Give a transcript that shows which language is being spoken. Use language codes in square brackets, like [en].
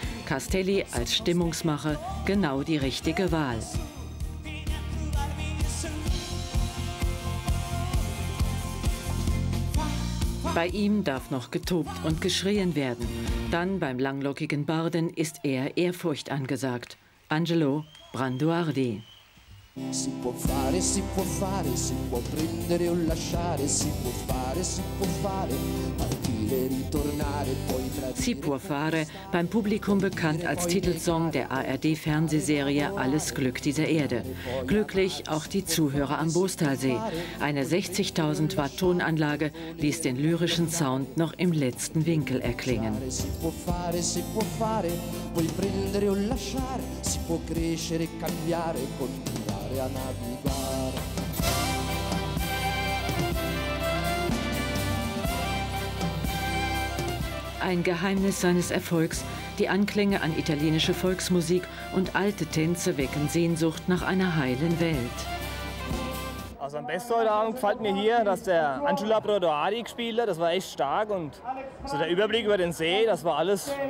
[de] Castelli als Stimmungsmacher, genau die richtige Wahl. Bei ihm darf noch getobt und geschrien werden. Dann beim langlockigen Barden ist eher Ehrfurcht angesagt. Angelo Branduardi. [it] Si può fare, si può fare, si può prendere o lasciare, si può fare, si può fare. [de] Si può fare, beim Publikum bekannt als Titelsong der ARD-Fernsehserie Alles Glück dieser Erde. Glücklich auch die Zuhörer am Bostalsee. Eine 60.000 Watt Tonanlage ließ den lyrischen Sound noch im letzten Winkel erklingen. [it] Si può fare, puoi prendere o lasciare, si può crescere, cambiare, continuare a navigare. [de] Ein Geheimnis seines Erfolgs, die Anklänge an italienische Volksmusik und alte Tänze wecken Sehnsucht nach einer heilen Welt. Also am besten heute Abend gefällt mir hier, dass der Angelo Branduardi gespielt hat. Das war echt stark und also der Überblick über den See, das war alles.